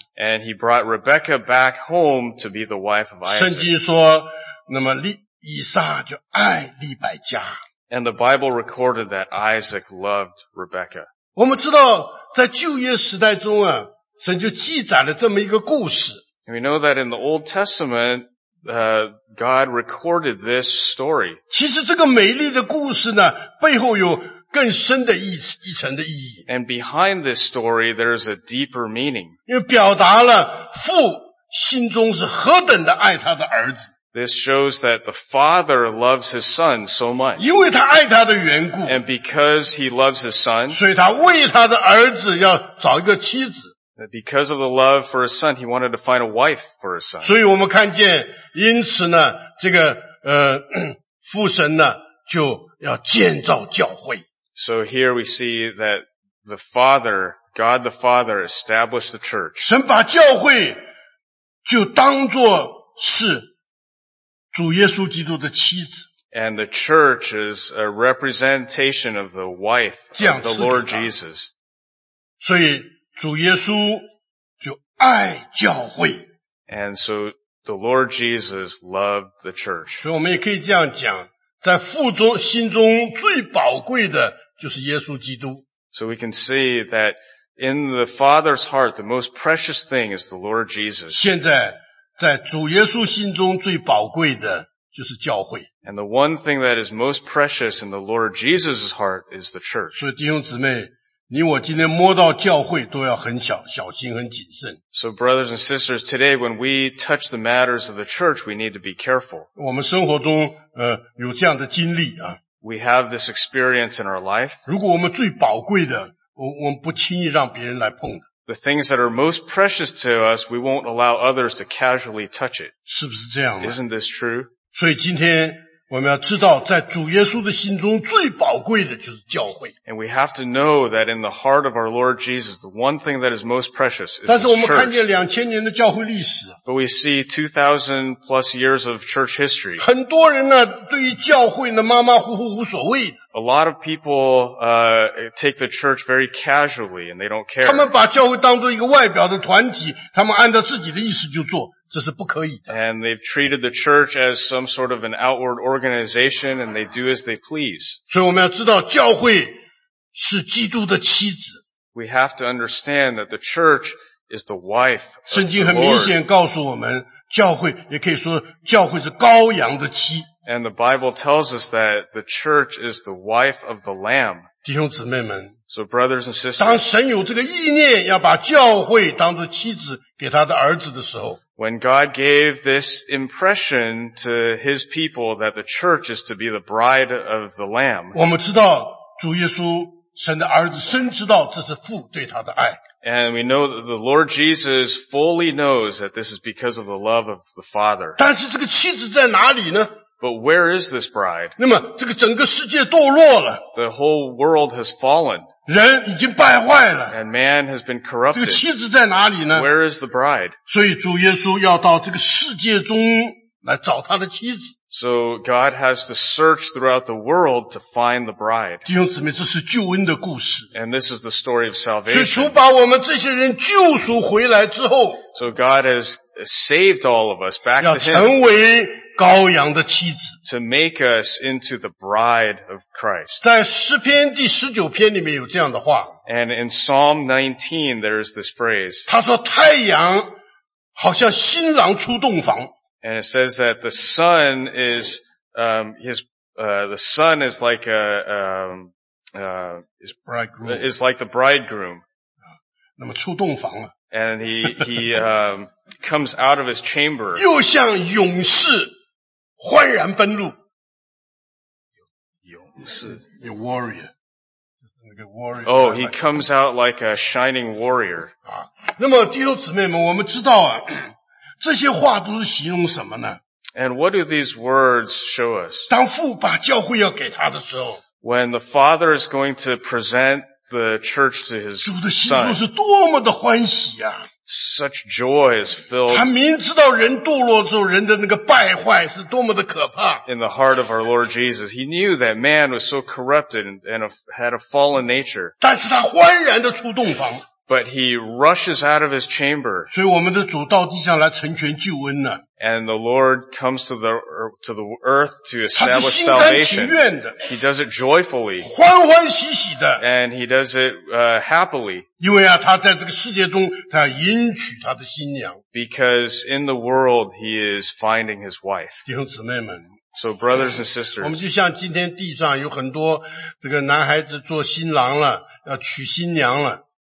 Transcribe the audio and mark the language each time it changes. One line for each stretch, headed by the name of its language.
English: And he brought Rebecca back home to be the wife of Isaac.
Chinese: 圣经说那么以撒就爱利百加。
English: And the Bible recorded that Isaac loved Rebecca.
Chinese: 我们知道在旧约时代中啊神就记载了这么一个故事。
English: We know that in the Old Testament, God recorded this story.
Chinese: 其实这个美丽的故事呢背后有更深的一层的意义。
English: And behind this story, there's a deeper meaning.
Chinese: 因为表达了父心中是何等的爱他的儿子。
English: This shows that the father loves his son so much.
Chinese: 因为他爱他的缘故。
English: And because he loves his son.
Chinese: 所以他为他的儿子要找一个妻子。
English: Because of the love for his son, he wanted to find a wife for his son.
Chinese: 所以我们看见因此呢这个父神呢就要建造教会。
English: So here we see that the father, God the father established the church.
Chinese: 神把教会就当作是主耶稣基督的妻子。
English: And the church is a representation of the wife of the Lord Jesus.
Chinese: 所以主耶稣就爱教会。
English: And so the Lord Jesus loved the church.
Chinese: 所以我们也可以这样讲，在父中心中最宝贵的就是耶稣基督。
English: So we can see that in the Father's heart, the most precious thing is the Lord Jesus.
Chinese: 现在在主耶稣心中最宝贵的就是教会。
English: And the one thing that is most precious in the Lord Jesus' heart is the church.
Chinese: 所以弟兄姊妹，你我今天摸到教会都要很小心很谨慎。
English: So brothers and sisters, today when we touch the matters of the church, we need to be careful.
Chinese: 我们生活中有这样的经历啊。
English: We have this experience in our life.
Chinese: 如果我们最宝贵的 我们不轻易让别人来碰的。
English: The things that are most precious to us, we won't allow others to casually touch it.
Chinese: 是不是这样的？
English: Isn't this true?
Chinese: 所以今天我们要知道在主耶稣的心中最宝贵的就是教会。
English: And we have to know that in the heart of our Lord Jesus, the one thing that is most precious is the church.
Chinese: 但是我们看见2000年的教会历史。
English: But we see 2000 plus years of church history.
Chinese: 很多人呢对于教会呢马马虎虎无所谓。
English: A lot of people, take the church very casually and they don't care.
Chinese: 他们把教会当作一个外表的团体，他们按照自己的意思就做，这是不可以的。
English: And they've treated the church as some sort of an outward organization and they do as they please.
Chinese: 所以我们要知道教会是基督的妻子。
English: We have to understand that the church is the wife of the Lord.
Chinese: 圣经很明显告诉我们，教会也可以说教会是羔羊的妻。
English: And the Bible tells us that the church is the wife of the Lamb.
Chinese: 弟兄姊妹们，
English: so brothers and sisters,
Chinese: 当神有这个意念要把教会当作妻子给他的儿子的时候，
English: When God gave this impression to his people that the church is to be the bride of the Lamb,
Chinese: 我们知道主耶稣神的儿子深知道这是父对他的爱。
English: And we know that the Lord Jesus fully knows that this is because of the love of the Father.
Chinese: 但是这个妻子在哪里呢？
English: But where is this bride?
Chinese: 那么这个整个世界堕落了。
English: The whole world has fallen.
Chinese: 人已经败坏了。
English: And man has been corrupted.
Chinese: 这个妻子在哪里呢？
English: Where is the bride?
Chinese: 所以主耶稣要到这个世界中来找他的妻子。
English: So God has to search throughout the world to find the bride.
Chinese: 弟兄姊妹，这是救恩的故事。
English: And this is the story of salvation.
Chinese: 所以主把我们这些人救赎回来之后。
English: So God has saved all of us back to him.
Chinese: 要成为羔羊的妻子。
English: To make us into the bride of Christ.
Chinese: 在诗篇第19篇里面有这样的话。
English: And in Psalm 19, there is this phrase.
Chinese: 他说太阳好像新郎出洞房。
English: And it says that the sun is, his, the son is like a, is bridegroom. Is like the bridegroom.
Chinese: 那么出洞房了。
English: And he, comes out of his chamber.
Chinese: 又像勇士欢然奔路。勇士。
English: A warrior. Oh, he comes out like a shining warrior.
Chinese: 那么弟兄姊妹们我们知道啊这些话都是形容什么呢
English: And what do these words show us?
Chinese: 当父把教会要给他的时候
English: When the father is going to present the church to his son,
Chinese: 主的心中是多么的欢喜啊
English: Such joy is filled.
Chinese: 他明知道人堕落之后人的那个败坏是多么的可怕
English: In the heart of our Lord Jesus, he knew that man was so corrupted and had a fallen nature.
Chinese: 但是他欢然地出洞房。
English: But he rushes out of his chamber.
Chinese: 所以我们的主到地上来成全救恩呢。
English: And the Lord comes to the earth to establish salvation. He does it joyfully.
Chinese: 欢欢喜喜的。
English: And he does it, happily.
Chinese: 因为啊他在这个世界中他要迎娶他的新娘。
English: Because in the world he is finding his wife.
Chinese: 弟兄姊妹们。
English: So brothers and sisters.
Chinese: 我们就像今天地上有很多这个男孩子做新郎了要娶新娘了。